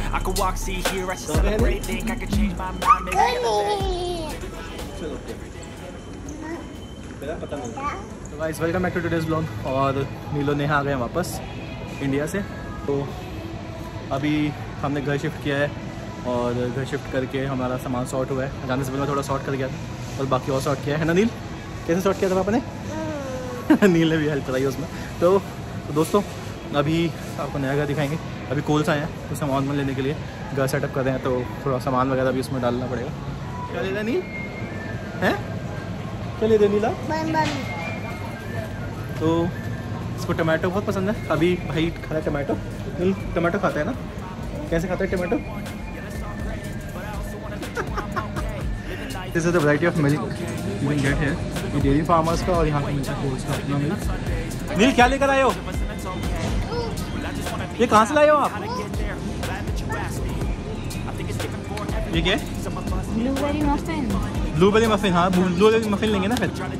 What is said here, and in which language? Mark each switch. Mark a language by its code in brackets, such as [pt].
[en] I could walk, see, hear, I should celebrate. Think I could change my mind, maybe get a bit. So guys, welcome back to today's vlog. And Neil and Neha are back from India. So now we have shifted our house. [hi] और घर shift करके हमारा सामान sort हुआ है. जाने से पहले मैं थोड़ा सॉर्ट कर गया था और बाकी और सॉर्ट किया है ना. नील, कैसे सॉर्ट किया था पापा ने? नील ने भी हेल्प कराई उसमें. तो दोस्तों, अभी आपको नया घर दिखाएंगे. अभी कोल्स आए हैं तो सामान वन लेने के लिए. घर सेटअप कर रहे हैं तो थोड़ा सामान वगैरह भी उसमें डालना पड़ेगा. क्या ले दें नील? हैं, क्या ले दें नीला? तो इसको टमाटो बहुत पसंद है. अभी भाई खा रहा है टमाटो. नील टमाटो खाते हैं ना? कैसे खाते हैं tomato? [en] This is the variety of milk you can get here. [hi] Dairy farmers का और यहाँ पे मिलता है कोल्स का अपना मिल. नील, क्या लेकर आए हो? ये कहाँ से लाए हो आप? ये क्या? Blueberry muffin. Blueberry muffin? हाँ, ब्लूबेरी मफिन लेंगे ना फिर.